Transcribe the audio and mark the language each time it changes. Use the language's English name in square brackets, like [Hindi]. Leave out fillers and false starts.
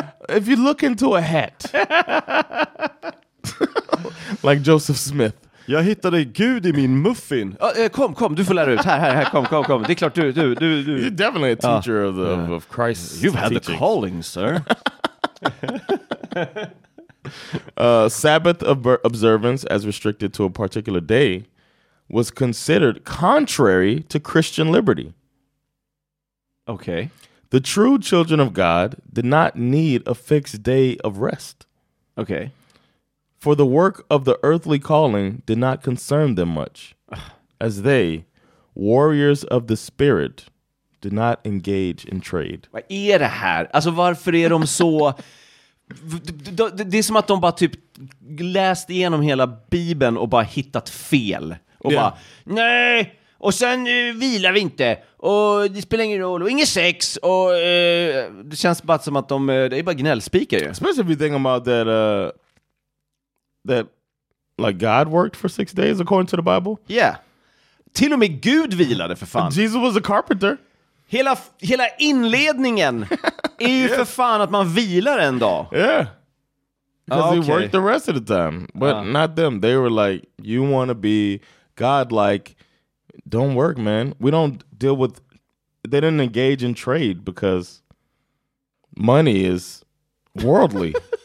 [English] If you look into a hat, like Joseph Smith. [Swedish] Jag hittade Gud i min muffin. Kom, du får lära ut. Här, kom. Det är klart, du. [English] You're definitely a teacher of Christ. You've had teachings. The calling, sir. Sabbath observance, as restricted to a particular day, was considered contrary to Christian liberty. Okay. The true children of God did not need a fixed day of rest. Okay. For the work of the earthly calling did not concern them much, as they, warriors of the spirit, did not engage in trade. [Swedish] Vad är det här? Alltså varför är de så... Det är som att de bara typ läst igenom hela Bibeln och bara hittat fel. Och bara, nej, och sen vilar vi inte. Och det spelar ingen roll, och ingen sex. Och det känns bara som att de, det är bara gnällspikar ju. [English] Especially if you think about that, that like God worked for six days according to the Bible. [Swedish] Yeah, till och med Gud vilade för fan. [English] Jesus was a carpenter. [Swedish] Hela inledningen är ju för fan att man vilar en dag. [English] Yeah. Because he worked the rest of the time. But not them. They were like, you want to be God, like, don't work, man. We don't deal with... They didn't engage in trade because money is worldly.